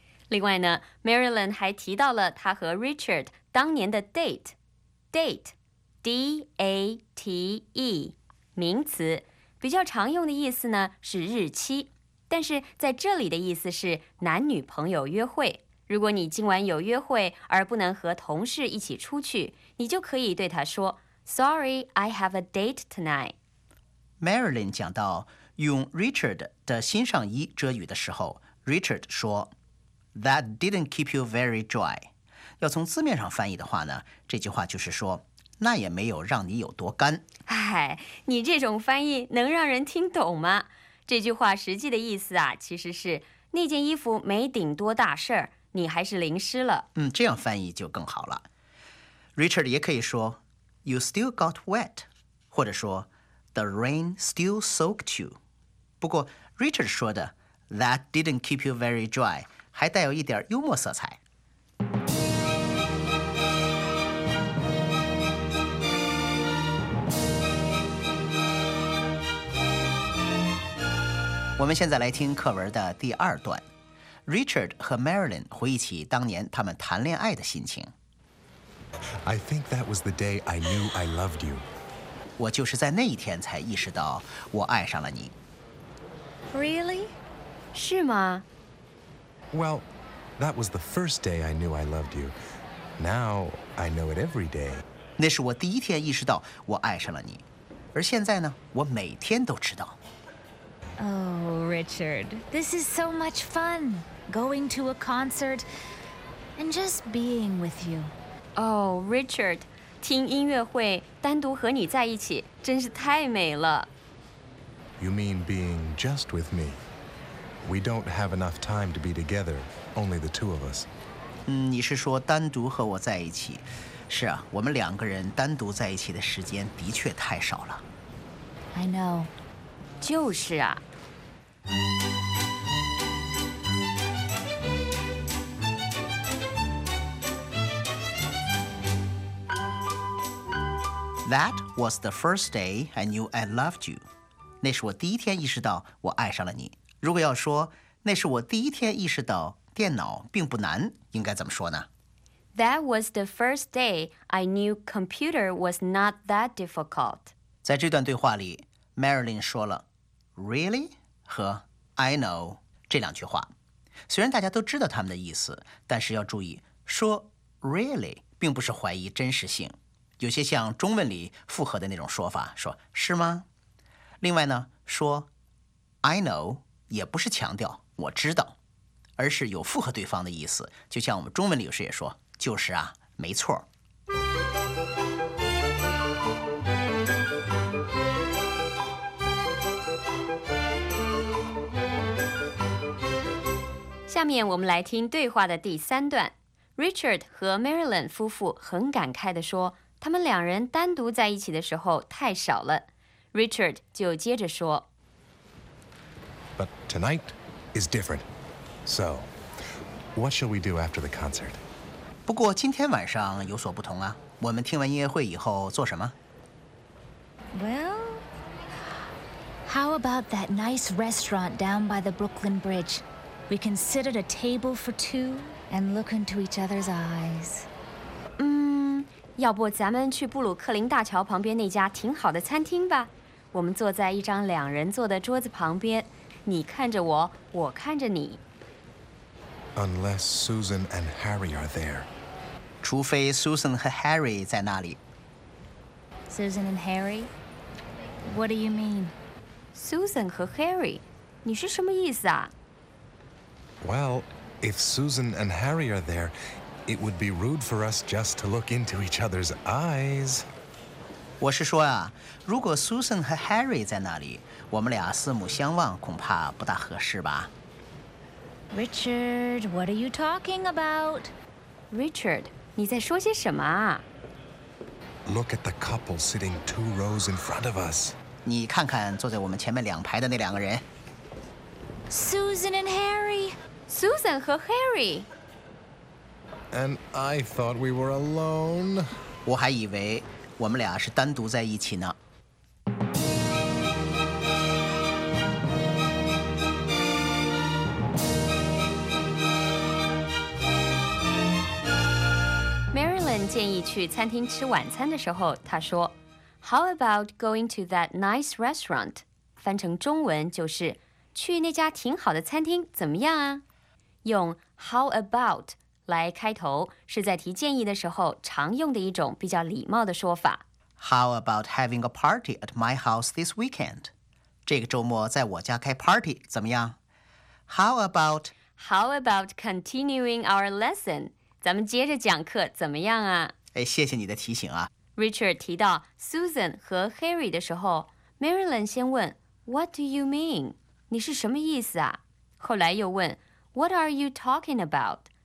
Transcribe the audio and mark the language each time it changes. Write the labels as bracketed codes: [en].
[zh] 另外呢 ，Marilyn 还提到了他和 Richard 当年的 date， D A T E， 名词，比较常用的意思呢是日期。但是在这里的意思是男女朋友约会。如果你今晚有约会而不能和同事一起出去，你就可以对他说 [en] Sorry, I have a date tonight. [zh] Marilyn 讲到用 Richard 的新上衣遮雨的时候， Richard 说 [en] That didn't keep you very dry. [zh] 要从字面上翻译的话呢，这句话就是说那也没有让你有多干。哎，你这种翻译能让人听懂吗？这句话实际的意思啊，其实是那件衣服没顶多大事儿，你还是淋湿了。嗯，这样翻译就更好了。 [en] Richard [zh] 也可以说 [en] ，You still got wet， [zh] 或者说 [en] ，The rain still soaked you。 [zh] 不过 Richard 说的 [en] That didn't keep you very dry， [zh] 还带有一点幽默色彩。我们现在来听课文的第二段。Richard 和 Marilyn 回忆起当年他们谈恋爱的心情。 [en] I think that was the day I knew I loved you. [zh] 我就是在那一天才意识到我爱上了你。 [en] Really? [zh] 是吗？ [en] Well, that was the first day I knew I loved you. Now, I know it every day. [zh] 那是我第一天意识到我爱上了你。而现在呢，我每天都知道。 [en] Oh, Richard, this is so much fun, going to a concert and just being with you. [zh] Oh, Richard, 听音乐会单独和你在一起真是太美了。 [en] You mean being just with me? We don't have enough time to be together, only the two of us. [zh] 嗯，你是说单独和我在一起。是啊，我们两个人单独在一起的时间的确太少了。 [en] I know. [zh] 就是啊。 [en] That was the first day I knew I loved you. [zh] 那是我第一天意识到我爱上了你。如果要说那是我第一天意识到电脑并不难，应该怎么说呢？ [en] That was the first day I knew computer was not that difficult. [zh] 在这段对话里 ，Marilyn 说了。 [en] Really? [zh] 和 [en] I know [zh] 这两句话，虽然大家都知道他们的意思，但是要注意说 really 并不是怀疑真实性，有些像中文里附和的那种说法，说是吗？另外呢，说 I know 也不是强调我知道，而是有附和对方的意思，就像我们中文里有时也说，就是啊，没错。下面我们来听对话的第三段。Richard 和 Marilyn 夫妇很感慨地说，他们两人单独在一起的时候太少了。 Richard 就接着说， [en] But tonight is different. So, what shall we do after the concert? [zh] 不过今天晚上有所不同啊，我们听完音乐会以后做什么？ [en] Well, how about that nice restaurant down by the Brooklyn Bridge? We can sit at a table for two and look into each other's eyes. [zh] 要不咱们去布鲁克林大桥旁边那家挺好的餐厅吧，我们坐在一张两人坐的桌子旁边，你看着我，我看着你。 [en] Unless Susan and Harry are there. [zh] 除非 Susan 和 Harry 在那里。 [en] Susan and Harry? What do you mean? [zh] Susan 和 Harry? 你是什么意思啊？ [en] Well, if Susan and Harry are there,It would be rude for us just to look into each other's eyes. [zh] 我是说啊，如果 Susan 和 Harry 在那里，我们俩四目相望恐怕不大合适吧。 [en] Richard, what are you talking about? [zh] Richard, 你在说些什么啊？ [en] Look at the couple sitting two rows in front of us. [zh] 你看看坐在我们前面两排的那两个人。 [en] Susan and Harry. [zh] Susan 和 Harry. [en] And I thought we were alone. [zh] 我还以为我们俩是单独在一起呢。 Marilyn 建议去餐厅吃晚餐的时候，她说 [en] How about going to that nice restaurant? [zh] 翻成中文就是去那家挺好的餐厅怎么样啊？用 how about来开头，是在提建议的时候常用的一种比较礼貌的说法。 [en] How about having a party at my house this weekend? [zh] 这个周末在我家开 party 怎么样？ [en] How about continuing our lesson? [zh] 咱们接着讲课怎么样啊？哎，谢谢你的提醒啊。 Richard 提到 Susan 和 Harry 的时候， Marilyn 先问 [en] What do you mean? [zh] 你是什么意思啊？后来又问 [en] What are you talking about?